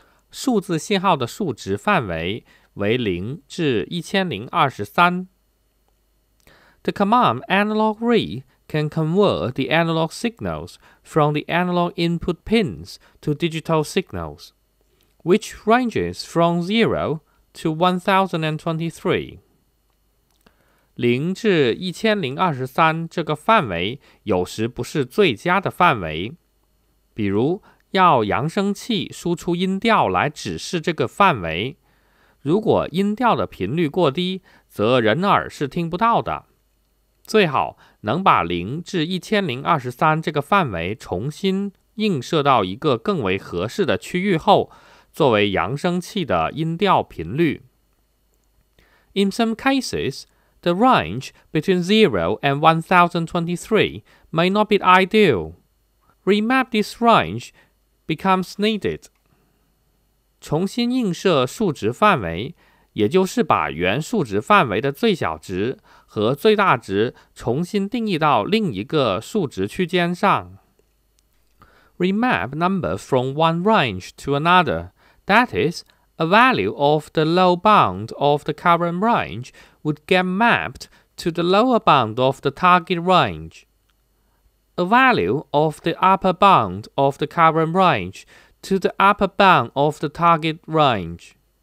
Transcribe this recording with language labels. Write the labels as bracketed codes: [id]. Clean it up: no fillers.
[zh] 数字信号的数值范围为0至1023。 [en] The command analog read can convert the analog signals from the analog input pins to digital signals, which ranges from 0 to 1023. [zh] 0至1023这个范围有时不是最佳的范围，比如要扬声器输出音调来指示这个范围，如果音调的频率过低，则人耳是听不到的。最好能把0至1023这个范围重新映射到一个更为合适的区域后，作为扬声器的音调频率。 [en] In some casesThe range between 0 and 1023 may not be ideal. Remap this range becomes needed. [zh] 重新映射数值范围，也就是把原数值范围的最小值和最大值重新定义到另一个数值区间上。 [en] Remap number from one range to another, that is,A value of the low bound of the current range would get mapped to the lower bound of the target range. A value of the upper bound of the current range to the upper bound of the target range.